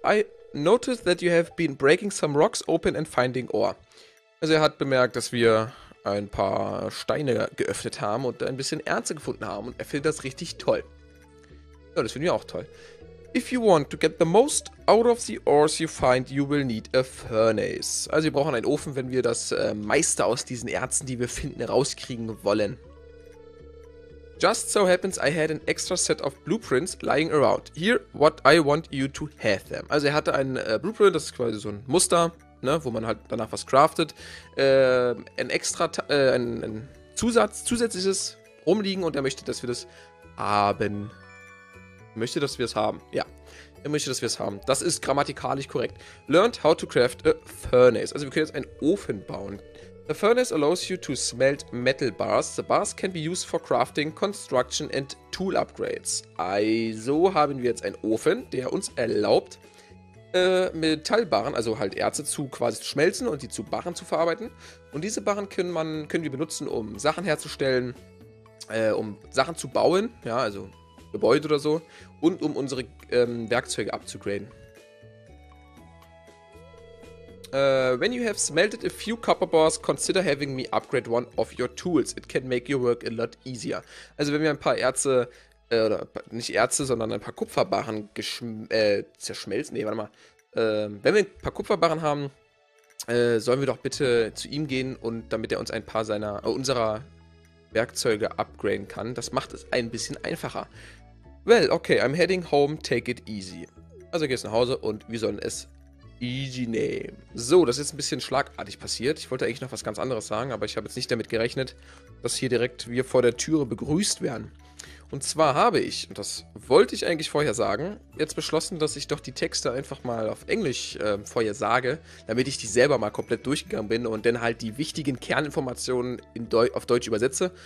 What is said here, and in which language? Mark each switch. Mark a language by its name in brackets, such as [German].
[English] I noticed that you have been breaking some rocks open and finding ore. [German] Also er hat bemerkt, dass wir ein paar Steine geöffnet haben und ein bisschen Erze gefunden haben und er findet das richtig toll. Ja, das finden wir auch toll. [English] If you want to get the most out of the ores you find, you will need a furnace. [German] Also wir brauchen einen Ofen, wenn wir das meiste aus diesen Erzen, die wir finden, rauskriegen wollen. [English] Just so happens, I had an extra set of blueprints lying around. Here, what I want you to have them. [German] Also er hatte einen Blueprint, das ist quasi so ein Muster, ne, wo man halt danach was craftet. Ein extra, ein Zusatz, zusätzliches rumliegen und er möchte, dass wir das haben. Möchte, dass wir es haben. Ja, er möchte, dass wir es haben. Das ist grammatikalisch korrekt. [English] Learned how to craft a furnace. [German] Also wir können jetzt einen Ofen bauen. [English] The furnace allows you to smelt metal bars. The bars can be used for crafting, construction and tool upgrades. [German] Also haben wir jetzt einen Ofen, der uns erlaubt, Metallbarren, also halt Erze zu quasi zu schmelzen und die zu Barren zu verarbeiten. Und diese Barren können wir benutzen, um Sachen herzustellen, um Sachen zu bauen. Ja, also Gebäude oder so und um unsere Werkzeuge abzugraden. [English] When you have smelted a few copper bars, consider having me upgrade one of your tools. It can make your work a lot easier. [German] Also wenn wir ein paar Erze, oder nicht Erze, sondern ein paar Kupferbarren zerschmelzen, nee, warte mal. Wenn wir ein paar Kupferbarren haben, sollen wir doch bitte zu ihm gehen und damit er uns ein paar seiner unserer Werkzeuge upgraden kann. Das macht es ein bisschen einfacher. [English] Well, okay, I'm heading home, take it easy. [German] Also gehst nach Hause und wir sollen es easy nehmen. So, das ist jetzt ein bisschen schlagartig passiert. Ich wollte eigentlich noch was ganz anderes sagen, aber ich habe jetzt nicht damit gerechnet, dass hier direkt wir vor der Türe begrüßt werden. Und zwar habe ich, und das wollte ich eigentlich vorher sagen, jetzt beschlossen, dass ich doch die Texte einfach mal auf Englisch vorher sage, damit ich die selber mal komplett durchgegangen bin und dann halt die wichtigen Kerninformationen auf Deutsch übersetze.